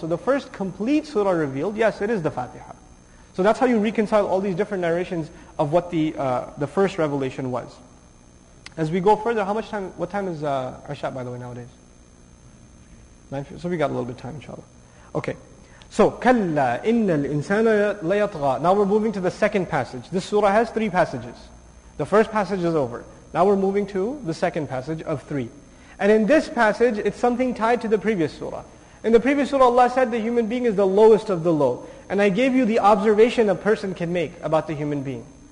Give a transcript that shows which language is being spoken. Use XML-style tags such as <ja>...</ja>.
<en>So the first complete surah revealed, yes, it is the Fatiha. So that's how you reconcile all these different narrations of what the first revelation was. As we go further, what time is Isha, by the way, nowadays? So we got a little bit of time, inshallah. Okay. So,</en> <ar>كَلَّا إِنَّ الْإِنسَانَ لَيَطْغَى.</ar> <en>Now we're moving to the second passage. This surah has three passages. The first passage is over. Now we're moving to the second passage of three. And in this passage, it's something tied to the previous surah. In the previous surah, Allah said the human being is the lowest of the low. And I gave you the observation a person can make about the human being.</en>